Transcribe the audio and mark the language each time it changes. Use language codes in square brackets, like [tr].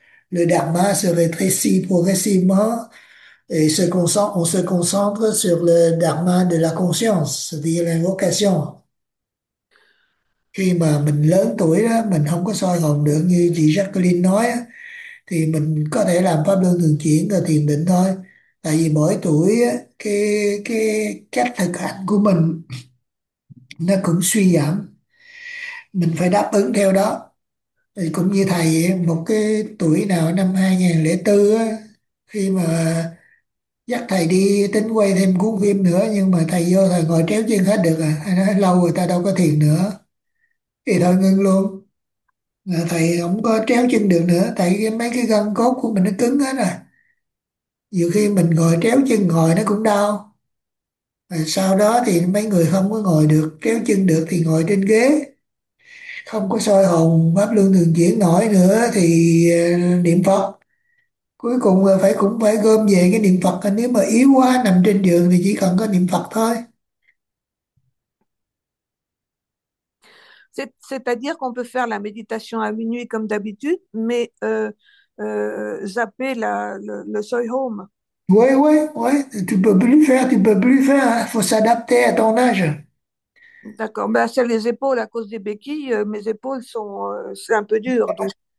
[fr] Le dharma se rétrécit progressivement et on se concentre sur le dharma de la conscience, c'est-à-dire l'invocation. [vi] Khi mà mình lớn tuổi đó, mình không có soi hồn được như chị Jacqueline nói, thì mình có thể làm pháp luân thường chuyển và thiền định thôi. Tại vì mỗi tuổi cái cách thực hành của mình nó cũng suy giảm, mình phải đáp ứng theo đó. Thì cũng như thầy một cái tuổi nào năm 2004 khi mà dắt thầy đi tính quay thêm cuốn phim nữa, nhưng mà thầy vô thầy ngồi tréo chân hết được à, thầy nói lâu rồi ta đâu có thiền nữa thì thôi ngưng luôn, thầy không có tréo chân được nữa, tại mấy cái gân cốt của mình nó cứng hết rồi. Nhiều khi mình ngồi tréo chân ngồi nó cũng đau, rồi sau đó thì mấy người không có ngồi được, tréo chân được thì ngồi trên ghế, không có soi hồn pháp luân thường chuyển nổi nữa thì niệm Phật. Cuối cùng là phải cũng phải gom về cái niệm Phật, nếu mà yếu quá nằm trên giường thì chỉ cần có niệm Phật thôi. [fr] C'est-à-dire qu'on peut faire la méditation à minuit comme d'habitude, mais zapper le seuil home. Oui, tu peux plus faire, tu peux plus faire, faut s'adapter à ton âge. D'accord, ben, c'est les épaules à cause des béquilles, mes épaules sont c'est un peu dur, donc.